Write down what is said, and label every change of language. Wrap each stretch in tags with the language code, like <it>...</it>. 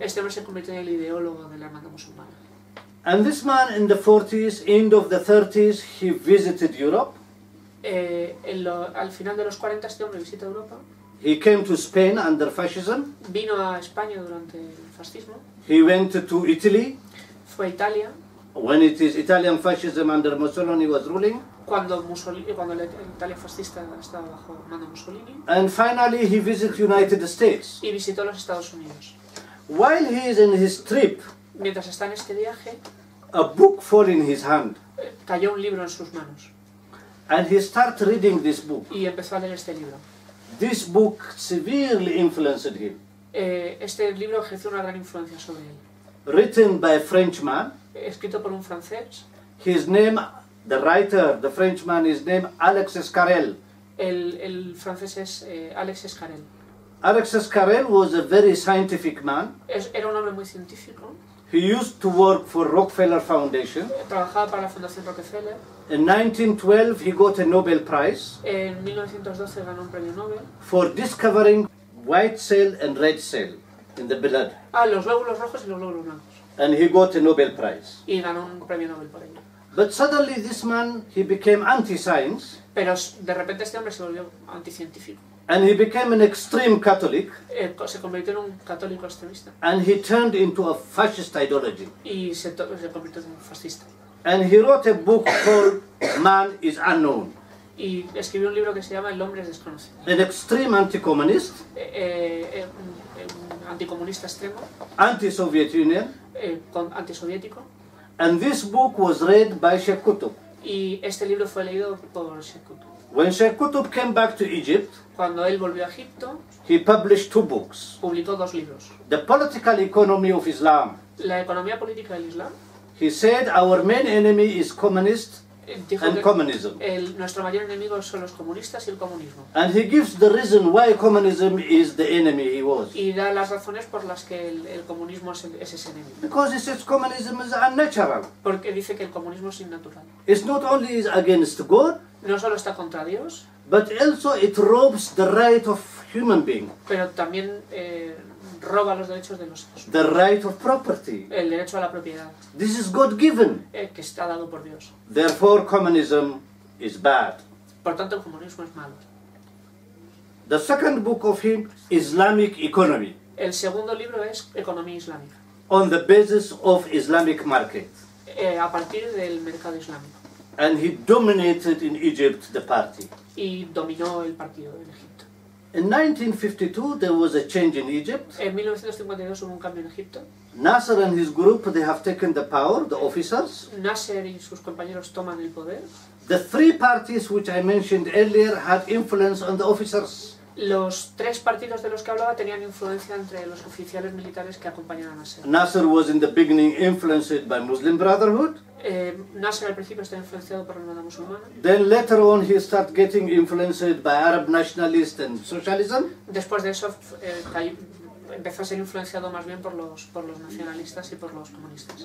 <es>Este hombre se convirtió en el ideólogo de la hermandad musulmana.</es> <en>And this man, in the 40s, end of the 30s, he visited Europe.</en> <es>Al final de los 40, este hombre visita Europa.</es> <en>He came to Spain under fascism.</en> <es>Vino a España durante el fascismo.</es> <en>He went to Italy.</en> <es>Fue a Italia.</es> <en>When it is Italian fascism under Mussolini was ruling.</en> <es>Cuando la Italia fascista estaba bajo mando Mussolini.</es> <en>And finally he visited United States.</en> <es>Y visitó los Estados Unidos.</es> <en>While he is in his trip,</en> <es>mientras está en este viaje,</es> <en>a book fell in his hand.</en> <es>Cayó un libro en sus manos.</es> <en>And he started reading this book.</en> <es>Y empezó a leer este libro.</es> <en>This book severely influenced him.</en> <es>Este libro ejerció una gran influencia sobre él.</es> <en>Written by a Frenchman.</en> <es>Escrito por un francés.</es> <en>His name, the writer, the Frenchman, his name Alex Escarrel.</en> <es>El francés es Alex Escarrel.</es> <en>Alex Escarrel was a very scientific man.</en> <es>Era un hombre muy científico.</es> <en>He used to work for Rockefeller Foundation.</en> <es>Trabajaba para la Fundación Rockefeller.</es> <en>In 1912, he got a Nobel Prize.</en> <es>En 1912 ganó un premio Nobel.</es> <en>For discovering white cell and red cell in the blood.</en> <es>Los glóbulos rojos y los glóbulos blancos.</es> <en>And he got a Nobel Prize.</en> <es>Y ganó un premio Nobel por ello.</es> <en>But suddenly this man, he became anti-science.</en> <es>Pero de repente este hombre se volvió anticientífico.</es> <en>And he became an extreme Catholic.</en> <es>Se convirtió en un católico extremista.</es> <en>And he turned into a fascist ideology.</en> <es>Y se convirtió en un fascista.</es> <en>And he wrote a book called Man is Unknown.</en> <es>Y escribió un libro que se llama El hombre es desconocido.</es> <en>An extreme anti-communist.</en> <es>Un anticomunista extremo.</es> <en>Anti-Soviet Union.</en> <es>Antisoviético.</es> <en>And this book was read by Sheikh Qutb.</en> <es>Y este libro fue leído por Sheikh Qutb.</es> <en>When Sheikh Qutb came back to Egypt,</en> <es>cuando él volvió a Egipto,</es> <en>he published two books.</en> <es>Publicó dos libros.</es> <en>The Political Economy of Islam.</en> <es>La economía política del Islam.</es> <en>He said our main enemy is communist and communism.</en> <es>Nuestro mayor enemigo son los comunistas y el comunismo.</es> <en>And he gives the reason why communism is the enemy he was.</en> <es>Y da las razones por las que el comunismo es ese enemigo.</es> <en>Because he says communism is unnatural.</en> <es>Porque dice que el comunismo es innatural.</es> <en>It's not only is against God.</en> <es>No solo está contra Dios.</es> <en>But also it robs the right of human being.</en> <es>Pero también roba los derechos de los hijos.</es> <en>The right of property.</en> <es>El derecho a la propiedad.</es> <en>This is God given.</en> <es>Que está dado por Dios.</es> <en>Therefore communism is bad.</en> <es>Por tanto el comunismo es malo.</es> <en>The second book of him, Islamic Economy.</en> <es>El segundo libro es Economía Islámica.</es> <en>On the basis of Islamic market.</en> <es>A partir del mercado islámico.</es> <en>And he dominated in Egypt the party.</en> <es>Y dominó el partido en Egipto.</es> <en>In 1952 there was a change in Egipt.</en> <es>En 1952 hubo un cambio en Egipto.</es> <en>Nasser and his group, they have taken the power, the officers.</en> <es>Nasser y sus compañeros toman el poder.</es> <en>The three parties which I mentioned earlier had influence on the officers.</en> <es>Los tres partidos de los que hablaba tenían influencia entre los oficiales militares que acompañaban a Nasser.</es> <en>Nasser was in the beginning influenced by Muslim Brotherhood.</en> <es>Nasser al principio estaba influenciado por la hermandad musulmana.</es> <en>Then later on he started getting influenced by Arab nationalists and socialism.</en> <es>Después de eso empezó a ser influenciado más bien por los nacionalistas y por los comunistas.</es>